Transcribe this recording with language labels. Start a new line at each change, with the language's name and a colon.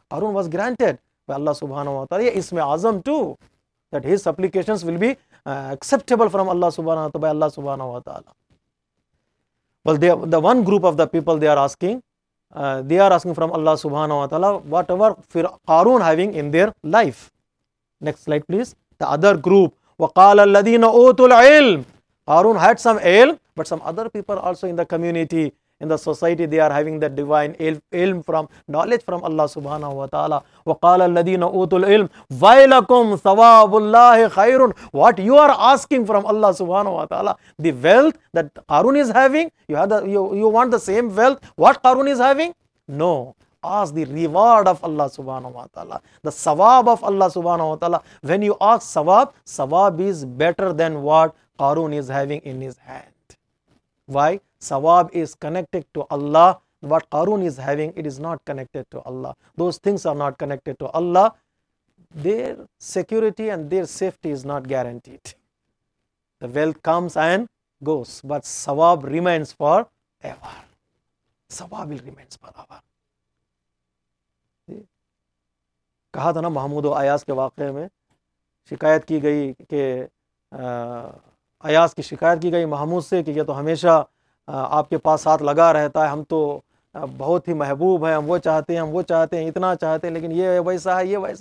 English: Qarun was granted by Allah subhanahu wa ta'ala Ism-e-Azam too, that his supplications will be acceptable from Allah subhanahu wa ta'ala, by Allah subhanahu wa ta'ala. Well, the one group of the people, they are asking from Allah subhanahu wa ta'ala whatever Qarun having in their life. Next slide, please. The other group,
Arabic: وَقَالَ الَّذِينَ أُوتُوا الْعِلْمِ.
English: Qarun had some ilm, but some other people also in the community, in the society, they are having that divine ilm from knowledge from Allah subhanahu wa ta'ala.
Arabic: وَقَالَ الَّذِينَ أُوتُوا الْعِلْمِ وَيْلَكُمْ ثَوَابُ اللَّهِ خَيْرٌ.
English: What you are asking from Allah subhanahu wa ta'ala, the wealth that Qarun is having, you want the same wealth what Qarun is having? No. Ask the reward of Allah subhanahu wa ta'ala, the sawab of Allah subhanahu wa ta'ala. When you ask sawab, sawab is better than what Qarun is having in his hand. Why? Sawab is connected to Allah. What Qarun is having, it is not connected to Allah. Those things are not connected to Allah. Their security and their safety is not guaranteed. The wealth comes and goes, but sawab remains forever. Sawab will remain forever.
Hindi: कहा था ना महमूद और अयास के वाक़े में शिकायत की गई कि अयास की शिकायत की गई महमूद से कि ये तो हमेशा आपके पास साथ लगा रहता है, हम तो बहुत ही महबूब हैं, हम वो चाहते हैं इतना चाहते हैं, लेकिन ये वैसा है.